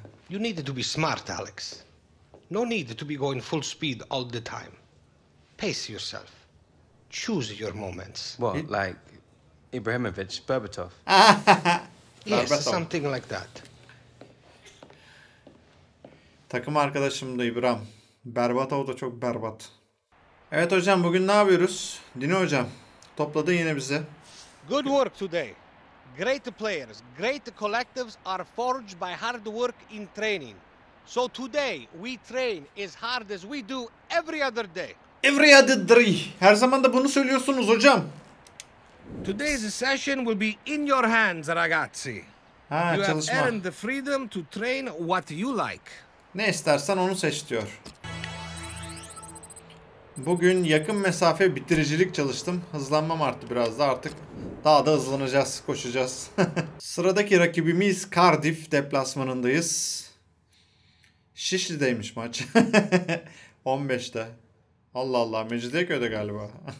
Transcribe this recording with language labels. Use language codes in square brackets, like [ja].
[en] You need to be smart, Alex. No need to be going full speed all the time. Pace yourself. Choose your moments. Well, like Ibrahimovic, Berbatov. Yes, something like that. [tr] Takım arkadaşım da İbrahim. Berbatov da çok berbat. Evet hocam, bugün ne yapıyoruz? Dino hocam, topladın yine bizi. [en] Good work today. Great players, great collectives are forged by hard work in training. So today we train as hard as we do every other day. Every other day. [tr] Her zaman da bunu söylüyorsunuz hocam. [en] Today's session will be in your hands, ragazzi. Ha, you [tr] çalışma. [en] Have earned the freedom to train what you like. [tr] Ne istersen onu seç diyor. Bugün yakın mesafe bitiricilik çalıştım. Hızlanmam arttı biraz da artık. Daha da hızlanacağız, koşacağız. Sıradaki rakibimiz Cardiff, deplasmanındayız. Şişli'deymiş maç. 15'te. Allah Allah, Mecidiyeköy'de galiba.